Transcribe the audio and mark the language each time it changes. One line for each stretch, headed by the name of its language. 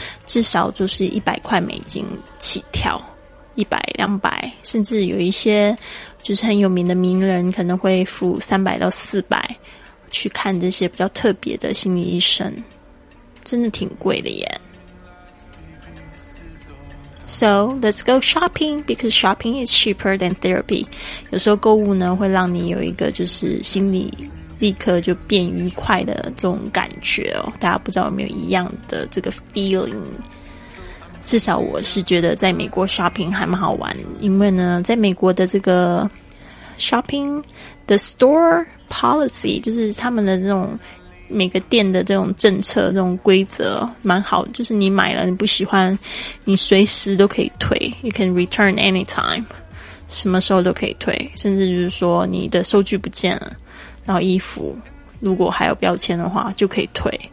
Chinese: 至少就是100块美金起跳，100-200，甚至有一些就是很有名的名人可能会付300-400去看这些比较特别的心理医生，真的挺贵的耶。
English: So, let's go shopping, because shopping is cheaper than therapy.
Chinese: 有时候购物呢会让你有一个就是心理立刻就变愉快的这种感觉哦。大家不知道有没有一样的这个 feeling。至少我是觉得在美国 shopping 还蛮好玩，因为呢在美国的这个 shopping,
English: the store policy,
Chinese: 就是他们的这种每个店的这种政策、这种规则蛮好，就是你买了你不喜欢，你随时都可以退 ，
English: you can return anytime，
Chinese: 什么时候都可以退，甚至就是说你的收据不见了，然后衣服如果还有标签的话就可以退。